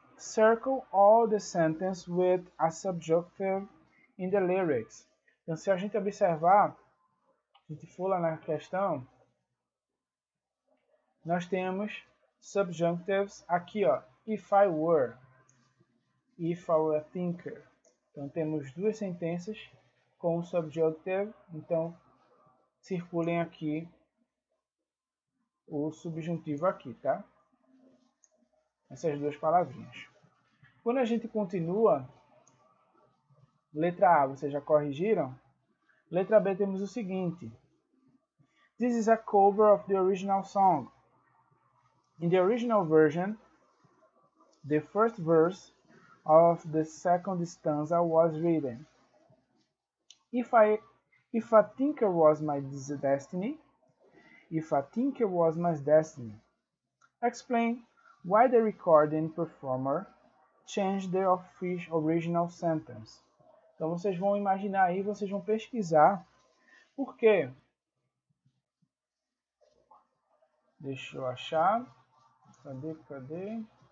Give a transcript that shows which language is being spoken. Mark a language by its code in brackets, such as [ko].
[en] Circle all the sentence with a subjunctive in the lyrics. [pt] Então, se a gente observar, a gente for lá na questão, nós temos subjunctives aqui, ó. [en] If I were. If I were a thinker. [pt] Então, temos duas sentenças com o subjunctive. Então, circulem aqui o subjuntivo aqui, tá? Essas duas palavrinhas. Quando a gente continua, letra A, vocês já corrigiram? Letra B, temos o seguinte. [en] This is a cover of the original song. In the original version, the first verse of the second stanza was written. If a thinker was my destiny, if a thinker was my destiny. Explain why the recording performer changed the official original sentence. [pt] Então, vocês vão imaginar aí, vocês vão pesquisar por quê. Deixa eu achar. Cadê?